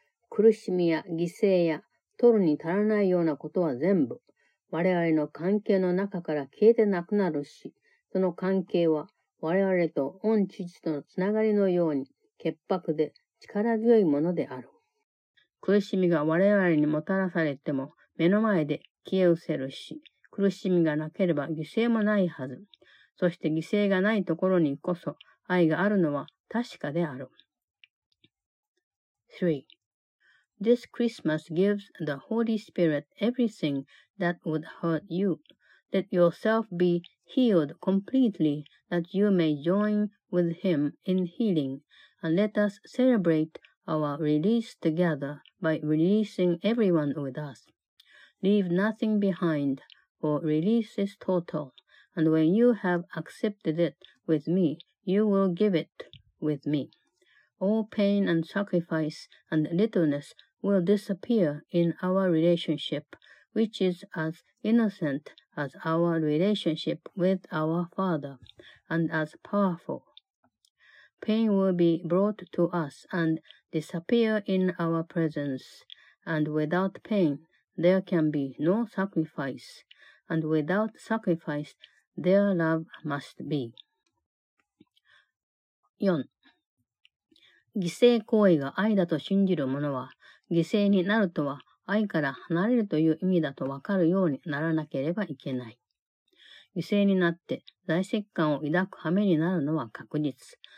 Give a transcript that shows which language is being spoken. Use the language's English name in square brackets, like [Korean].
[Japanese] 苦しみや犠牲や取るに足らないようなことは全部、我々の関係の中から消えてなくなるし、その関係は我々と御父とのつながりのように潔白で力強いものである。苦しみが我々にもたらされても目の前で消え失せるし、苦しみがなければ犠牲もないはず。そして犠牲がないところにこそ愛があるのは確かである。 3. [English] This Christmas gives the Holy Spirit everything that would hurt you. Let yourself be healed completely that you may join with Him in healing, and let us celebrate our release together by releasing everyone with us. Leave nothing behind, for release is total, and when you have accepted it with me, you will give it with me. All pain and sacrifice and littleness will disappear in our relationship, which is as innocent as our relationship with our Father, and as powerful. Pain will be brought to us and disappear in our presence, and without pain,There can be no sacrifice, and without sacrifice, their love must be. 4. [Japanese] 犠牲行為が愛だと信じる者は、犠牲になるとは愛から離れるという意味だとわかるようにならなければいけない。犠牲になって罪責感を抱く羽目になるのは確実。